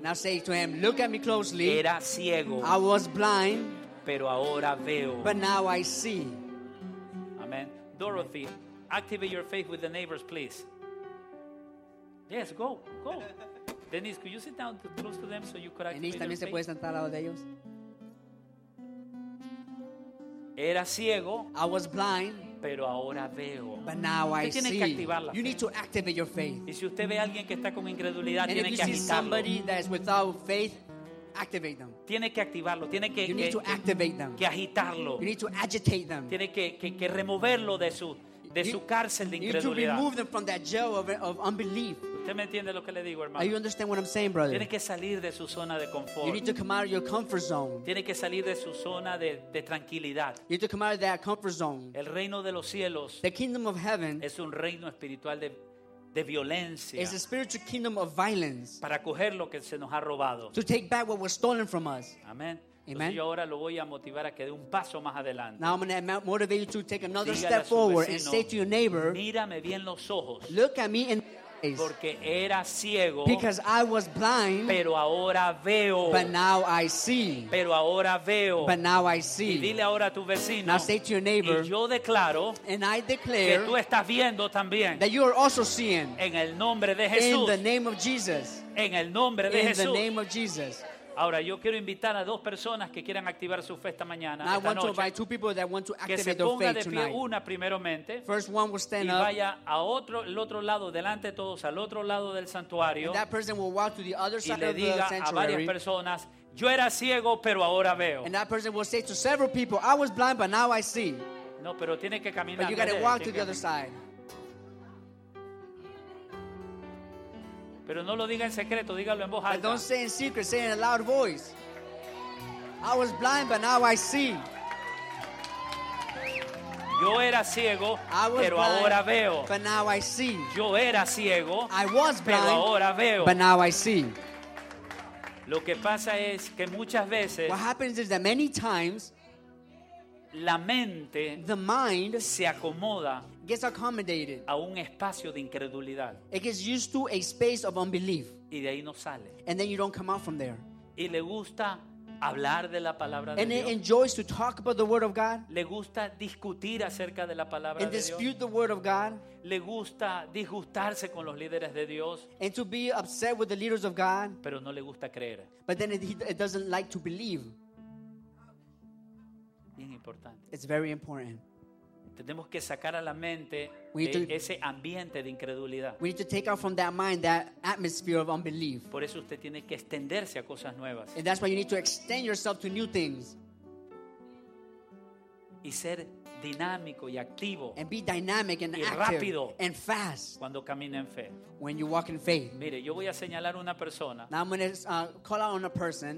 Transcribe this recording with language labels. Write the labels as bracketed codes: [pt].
[en] Now say to him, look at me closely. [es] Era ciego, [en] I was blind, [es] pero ahora veo. [en] But now I see. Amen. Dorothy, activate your faith with the neighbors, please. Yes, go, go. Denise, could you sit down close to them so you could activate Denise, your faith? [es] Denise, ¿también se puede sentar al lado de ellos? Era ciego. [en] I was blind. [es] Pero ahora veo. [en] But now I [es] see. Que activarla. [en] You need to activate your faith. [es] Y si usted ve a alguien que está con incredulidad, [en] and [es] tiene que agitarlo. [en] And if you see somebody that is without faith, activate them. [es] Tiene que activarlo, tiene que, [en] you need to activate them. [es] Que agitarlo. [en] You need to agitate them. [es] Tiene que removerlo de su... de su cárcel de incredulidad. [en] You need to remove them from that jail of unbelief. [es] ¿Usted me entiende lo que le digo, hermano? [en] You understand what I'm saying, brother? [es] Tiene que salir de su zona de confort. [en] You need to come out of your comfort zone. [es] Tiene que salir de su zona de tranquilidad. [en] You need to come out of that comfort zone. [es] El reino de los cielos, [en] the kingdom of heaven, [es] es un reino espiritual de violencia. [en] It's a spiritual kingdom of violence. [es] Para coger lo que se nos ha robado. [en] To take back what was stolen from us. Amen. Amen. [es] Entonces yo ahora lo voy a motivar a que dé un paso más adelante. [en] Now I'm going to motivate you to take another step forward, [es] vecino, [en] and say to your neighbor, [es] mírame bien los ojos. [en] Look at me in the eyes. [es] Porque era ciego. [en] Because I was blind. [es] Pero ahora veo. [en] But now I see. [es] Pero ahora veo. [en] But now I see. [es] Y dile ahora a tu vecino. [en] Now say to your neighbor. [es] Y yo declaro. [en] And I declare. [es] Que tú estás viendo también. [en] That you are also seeing. [es] En el nombre de Jesús. [en] In the name of Jesus. [es] En el nombre de [en] in [es] Jesús. [en] In the name of Jesus. [es] Ahora yo quiero invitar a dos personas que quieran activar su fe esta mañana, [en] now, [es] esta noche. [en] I want to invite two people that want to activate their faith tonight. [es] Que se ponga de pie una primeramente. [en] First one will stand up. [es] Y vaya a otro, el otro lado, delante de todos, al otro lado del santuario. [en] And that person will walk to the other side of the sanctuary. [es] Y le diga a varias personas, yo era ciego, pero ahora veo. [en] And that person will say to several people, I was blind, but now I see. [es] No, pero tiene que caminar. [en] But you got to walk to the other side. [es] Pero no lo diga en secreto, dígalo en voz alta. [en] But don't say in secret, say in a loud voice. I was blind, but now I see. [es] Yo era ciego, [en] I was [es] pero [en] blind, [es] ahora veo. [en] But now I see. [es] Yo era ciego, [en] I was blind, [es] pero ahora veo. [en] But now I see. [es] Lo que pasa es que muchas veces, [en] what happens is that many times, [es] la mente, [en] the mind, [es] se acomoda, [en] gets accommodated, [es] a un espacio de incredulidad. [en] It gets used to a space of unbelief. [es] Y de ahí no sale. [en] And then you don't come out from there. [es] Y le gusta hablar de la palabra [en] and [es] de [en] it [es] Dios. [en] Enjoys to talk about the word of God. [es] Le gusta discutir acerca de la palabra [en] and [es] de [en] dispute The word of God. [es] Le gusta disgustarse con los líderes de Dios. [en] And to be upset with the leaders of God. [es] Pero no le gusta creer. [en] But then it doesn't like to believe. [es] Bien importante. [en] It's very important. [es] Tenemos que sacar a la mente ese ambiente de incredulidad. [en] We need to take out from that mind that atmosphere of unbelief. [es] Por eso usted tiene que extenderse a cosas nuevas. [en] And that's why you need to extend yourself to new things. [es] Y ser dinámico y activo. [en] And be dynamic and [es] active. Y rápido. [en] And fast. [es] Cuando camina en fe. [en] When you walk in faith. [es] Mire, yo voy a señalar una persona. [en] Now I'm going to call out on a person.